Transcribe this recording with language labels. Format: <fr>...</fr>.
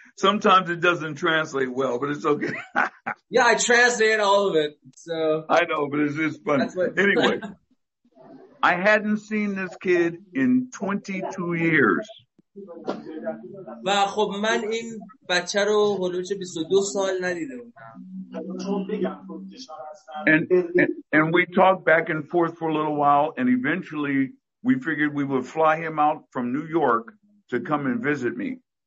<en>Sometimes it doesn't translate well, but it's okay. Yeah, I translate all of it. So I know, but it's just funny. Anyway, I hadn't seen this kid in 22 years.</en> <fa>و خب من این بچه رو حدود 22 سال ندیده بودم.</fa> <en>And we talked back and forth for a little while, and eventually we figured we would fly him out from New York to come and visit me.</en>